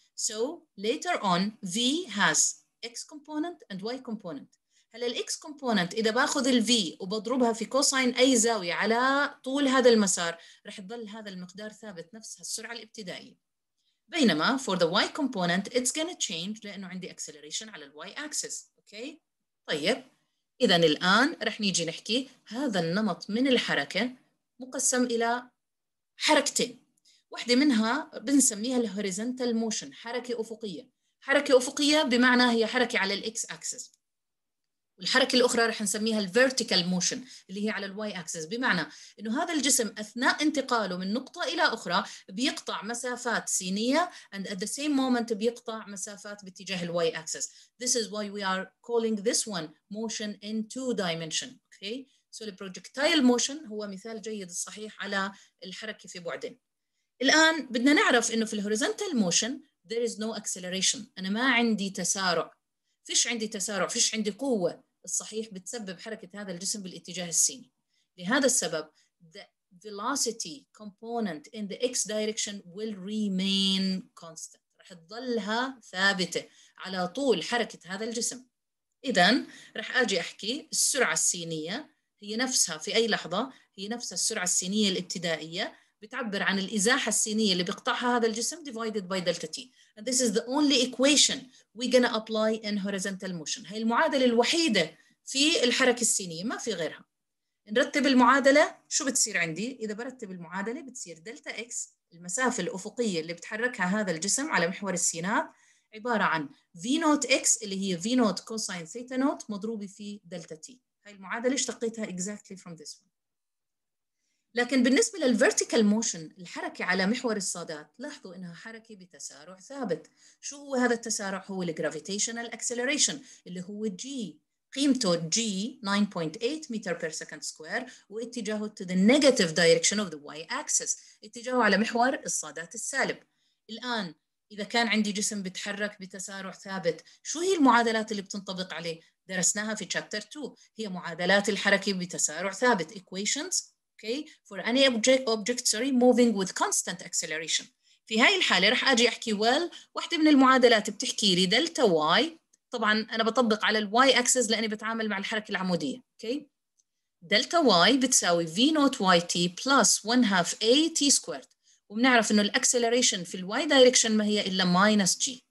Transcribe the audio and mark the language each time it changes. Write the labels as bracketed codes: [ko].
[en] So later on v has x component and y component. [ar] هلا ال x component إذا باخذ ال v وبضربها في كوساين أي زاوية على طول هذا المسار رح يضل هذا المقدار ثابت نفسها السرعة الابتدائية، بينما [en] for the y component it's gonna change [ar] لأنه عندي acceleration على ال y axis. Okay. طيب إذا الآن رح نيجي نحكي هذا النمط من الحركة مقسم إلى حركتين، واحدة منها بنسميها ال horizontal motion، حركة أفقية. حركة أفقية بمعنى هي حركة على ال x axis، والحركة الأخرى رح نسميها ال vertical motion اللي هي على ال y axis، بمعنى إنه هذا الجسم أثناء انتقاله من نقطة إلى أخرى بيقطع مسافات سينية [en] and at the same moment [ar] بيقطع مسافات باتجاه ال y axis. [en] This is why we are calling this one motion in two dimension. Okay. So the projectile motion [ar] هو مثال جيد صحيح على الحركة في بعدين. الآن بدنا نعرف إنه في ال horizontal motion [en] there is no acceleration، [ar] أنا ما عندي تسارع، فيش عندي تسارع، فيش عندي قوة الصحيح بتسبب حركة هذا الجسم بالاتجاه السيني. لهذا السبب [en] the velocity component in the x direction will remain constant، [ar] رح تظلها ثابتة على طول حركة هذا الجسم. إذن رح أجي أحكي السرعة السينية هي نفسها في أي لحظة، هي نفسها السرعة السينية الابتدائية بتعبر عن الإزاحة السينية اللي بيقطعها هذا الجسم [en] divided by delta t. And this is the only equation we're gonna apply in horizontal motion. [ar] هاي المعادلة الوحيدة في الحركة السينية، ما في غيرها. نرتب المعادلة، شو بتصير عندي؟ إذا برتب المعادلة بتصير delta x المسافة الأفقية اللي بتحركها هذا الجسم على محور السينات عبارة عن v naught x اللي هي v naught cosine theta naught مضروبة في delta t. هاي المعادلة اشتقيتها [en] exactly from this one. [ar] لكن بالنسبة لل vertical motion الحركة على محور الصادات، لاحظوا إنها حركة بتسارع ثابت. شو هو هذا التسارع؟ هو ال gravitational acceleration اللي هو g، قيمته g 9.8 meter per second square واتجاهه [en] to the negative direction of the y axis، [ar] اتجاهه على محور الصادات السالب. الآن إذا كان عندي جسم بتحرك بتسارع ثابت، شو هي المعادلات اللي بتنطبق عليه؟ درسناها في chapter 2، هي معادلات الحركة بتسارع ثابت equations. [en] Okay, for any object moving with constant acceleration. [ar] في هاي الحالة رح أجي أحكي well، واحدة من المعادلات بتحكي لي delta y، طبعا أنا بطبق على ال y axis لأني بتعامل مع الحركة العمودية. Okay. [en] delta Y بتساوي V naught Y T plus 1 half A T squared, [ar] وبنعرف انه [en] الاكسلريشن في الواي دايركشن ما هي الا ماينس جي.